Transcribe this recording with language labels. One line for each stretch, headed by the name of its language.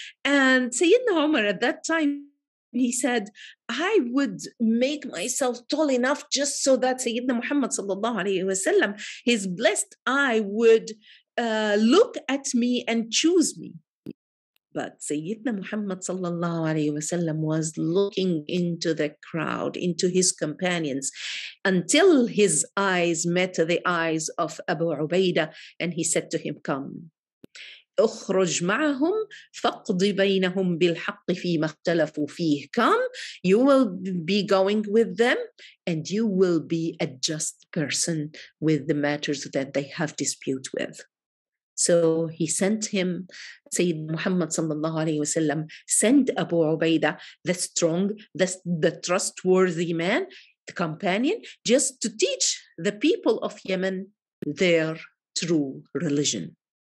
English: And Sayyidina Umar at that time, he said, I would make myself tall enough just so that Sayyidina Muhammad sallallahu alayhi wa sallam, his blessed eye would look at me and choose me. But Sayyidina Muhammad sallallahu alayhi wa sallam was looking into the crowd, into his companions, until his eyes met the eyes of Abu Ubaidah, and he said to him, come.
Arabic: أخرج معهم فقضي بينهم بالحق فيما اختلفوا فيه.
English: Come, you will be going with them, and you will be a just person with the matters that they have dispute with. So he sent him, Sayyidina Muhammad sallallahu alayhi wa sallam, send Abu Ubaidah, the strong, the trustworthy man, the companion, just to teach the people of Yemen their true religion.